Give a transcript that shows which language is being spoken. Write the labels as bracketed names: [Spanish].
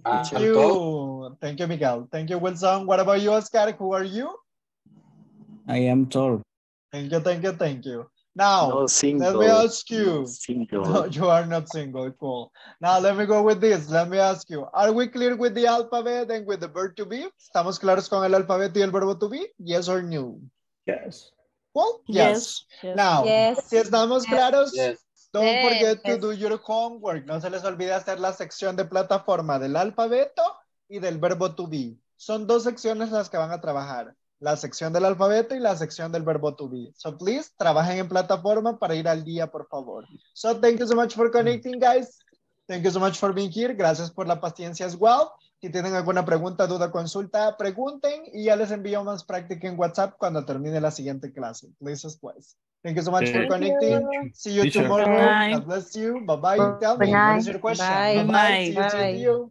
[English] Thank you. Thank you, Miguel. Thank you, Wilson. What about you, Oscar? Who are you? I am tall. Thank you, thank you, thank you. Now, no, let me ask you. Single. No, you are not single. Cool. Now, let me go with this. Let me ask you. Are we clear with the alphabet and with the verb to be? [Spanish] ¿Estamos claros con el alfabeto y el verbo to be? [English] Yes or no? Yes. Well, yes. Now, yes. [Spanish] Si estamos claros, [English] yes. Don't forget to do your homework. [Spanish] No se les olvide hacer la sección de plataforma del alfabeto y del verbo to be. Son dos secciones las que van a trabajar. La sección del alfabeto y la sección del verbo to be. [English] So please, [Spanish] trabajen en plataforma para ir al día, por favor. [English] So thank you so much for connecting, guys. Thank you so much for being here. [Spanish] Gracias por la paciencia [English] as well. [Spanish] Si tienen alguna pregunta, duda, consulta, pregunten y ya les envío más práctica en WhatsApp cuando termine la siguiente clase. [English] Please, as well. Thank you so much for connecting. You. See you tomorrow. Bye. God bless you. Bye-bye. Tell me, what is your question? Bye-bye. See you tomorrow.